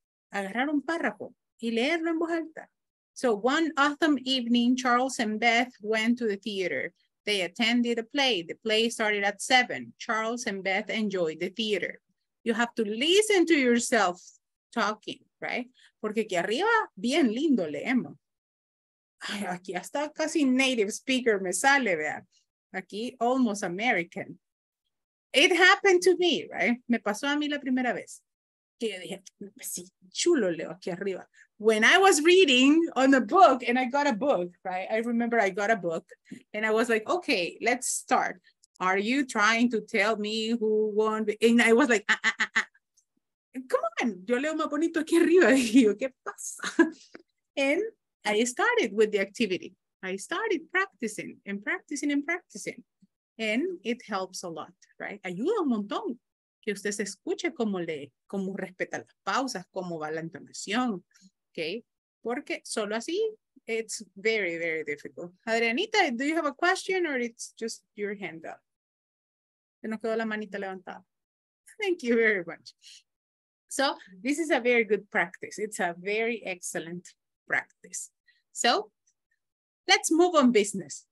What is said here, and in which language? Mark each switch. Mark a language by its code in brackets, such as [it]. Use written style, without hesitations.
[es] Agarrar un párrafo y leerlo en voz alta. [en] So one autumn evening, Charles and Beth went to the theater. They attended a play. The play started at 7. Charles and Beth enjoyed the theater. You have to listen to yourself talking, right? [es] Porque aquí arriba, bien lindo leemos. Ay, aquí hasta casi native speaker me sale, vea. Aquí, [en] almost American. It happened to me, right? [es] Me pasó a mí la primera vez. Que yo dije, sí, chulo leo aquí arriba. [en] When I was reading on a book, and I got a book, right? I remember I got a book, and I was like, okay, let's start. Are you trying to tell me who won? And I was like, ah, ah, ah, ah. Come on, [es] yo leo más bonito aquí arriba. Y yo, ¿qué pasa? [en] And I started with the activity. I started practicing and practicing and practicing. And it helps a lot, right? [es] Ayuda un montón que usted se escuche cómo lee, cómo respeta las pausas, cómo va la entonación, okay? Porque solo así, [en] it's very, very difficult. Adrianita, do you have a question or it's just your hand up? [es] Se nos quedó la manita levantada. [en] Thank you very much. So this is a very good practice. It's a very excellent practice. So let's move on business.